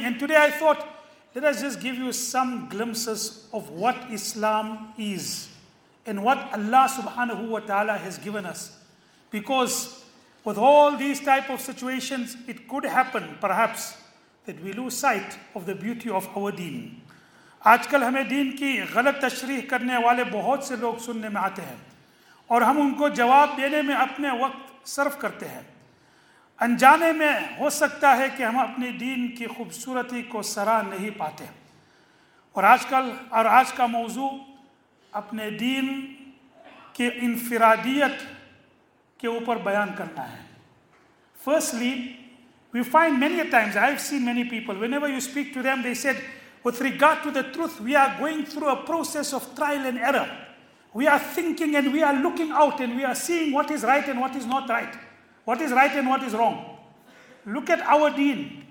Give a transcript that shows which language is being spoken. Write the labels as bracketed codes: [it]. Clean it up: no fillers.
[en] And today I thought, let us just give you some glimpses of what Islam is and what Allah subhanahu wa ta'ala has given us. Because with all these type of situations, it could happen perhaps that we lose sight of the beauty of our deen. [ur] آج کل ہمیں دین کی غلط تشریح کرنے والے بہت سے لوگ سننے میں آتے ہیں اور ہم ان کو جواب دینے میں اپنے وقت صرف کرتے ہیں. انجانے میں ہو سکتا ہے کہ ہم اپنے دین کی خوبصورتی کو سراہ نہیں پاتے. اور آج کا موضوع اپنے دین کے انفرادیت کے اوپر بیان کرنا ہے. [en] Firstly, we find many a times, I've seen many people, whenever you speak to them, they said, with regard to the truth, we are going through a process of trial and error. We are thinking and we are looking out and we are seeing what is right and what is not right. What is right and what is wrong. Look at our deen.